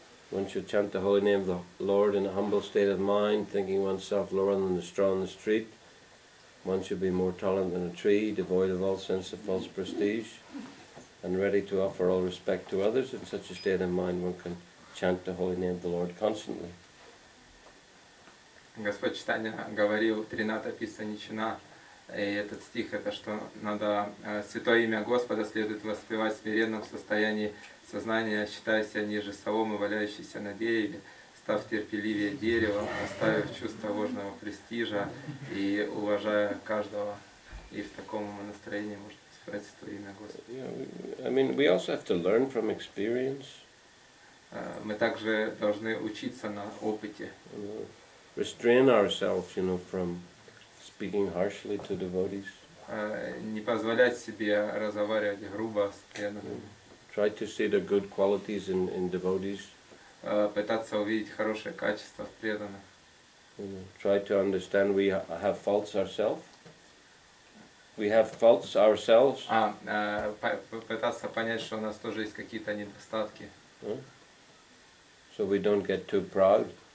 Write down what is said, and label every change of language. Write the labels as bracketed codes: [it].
[en] Once you chant the holy name of the Lord in a humble state of mind, thinking oneself lower than the straw on the street, one should be more tolerant than a tree, devoid of all sense of false prestige, and ready to offer all respect to others. In such a state of mind, one can chant the holy name of the Lord constantly. [ru] Господь Читания говорил, Трината Писа Ничина, и этот стих, это что надо святое имя Господа следует воспевать в смиренном состоянии сознания, считая себя ниже соломы, валяющейся на дереве, став терпеливее дерева, оставив чувство ложного престижа и уважая каждого, и в таком настроении может. [en] Yeah, I mean, we also have to learn from experience. [ru] Мы также должны учиться на опыте. [en] Restrain ourselves, you know, from speaking harshly to devotees. [ru] Не позволять себе разговаривать грубо с преданными. [en] Try to see the good qualities in devotees. [ru] Пытаться увидеть хорошие качества в преданных. [en] Try to understand we have faults ourselves. We have faults ourselves. [ru] Пытаться понять, что у нас тоже есть какие-то недостатки. [en] So we don't get too proud.